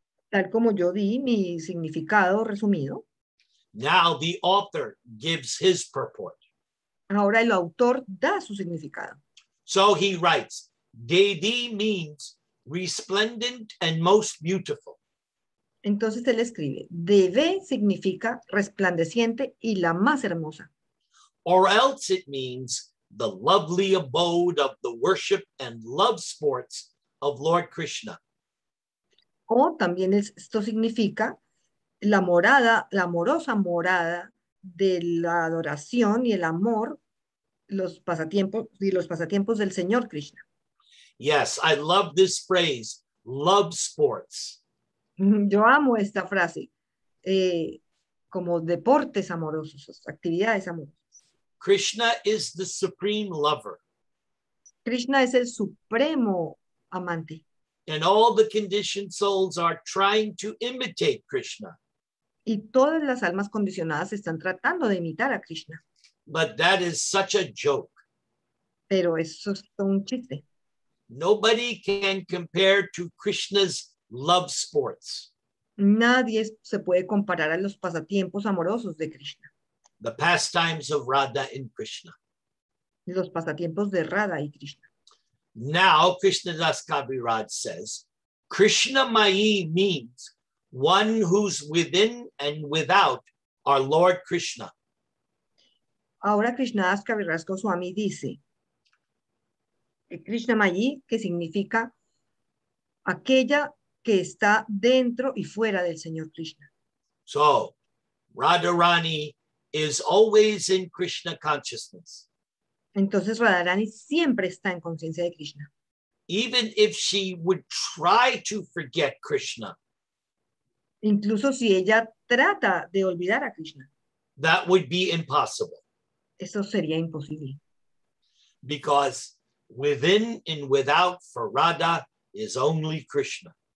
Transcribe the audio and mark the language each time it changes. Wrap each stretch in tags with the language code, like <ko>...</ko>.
<es>Tal como yo di mi significado resumido.</es> <en>Now the author gives his purport.</en> <es>Ahora el autor da su significado.</es> <en>So he writes, Devi means resplendent and most beautiful.</en> <es>Entonces él escribe, Devi significa resplandeciente y la más hermosa.</es> <en>Or else it means the lovely abode of the worship and love sports of Lord Krishna.</en> <es>O también esto significa la morada, la amorosa morada de la adoración y el amor, los pasatiempos del señor Krishna.</es> <en>Yes, I love this phrase, love sports.</en> <es>Yo amo esta frase, como deportes amorosos, actividades amorosas.</es> <en>Krishna is the supreme lover.</en> <es>Krishna es el supremo amante.</es> <en>And all the conditioned souls are trying to imitate Krishna.</en> <es>Y todas las almas condicionadas están tratando de imitar a Krishna.</es> <en>But that is such a joke.</en> <es>Pero eso es un chiste.</es> <en>Nobody can compare to Krishna's love sports.</en> <es>Nadie se puede comparar a los pasatiempos amorosos de Krishna.</es> <en>The pastimes of Radha and Krishna.</en> <es>Los pasatiempos de Radha y Krishna.</es> <en>Now, Krishnadas Kaviraj says, Krishna Mayi means one who's within and without our Lord Krishna.</en> <es>Ahora, Krishnadas Kaviraj Goswami dice, Krishna Mayi, que significa aquella que está dentro y fuera del Señor Krishna.</es> <en>So, Radharani is always in Krishna consciousness.</en> <es>Entonces Radharani siempre está en conciencia de Krishna.</es> <en>Even if she would try to forget Krishna.</en> <es>Incluso si ella trata de olvidar a Krishna.</es> <en>That would be impossible.</en> <es>Eso sería imposible.</es> <en>Because within and without for Radha is only Krishna.</en>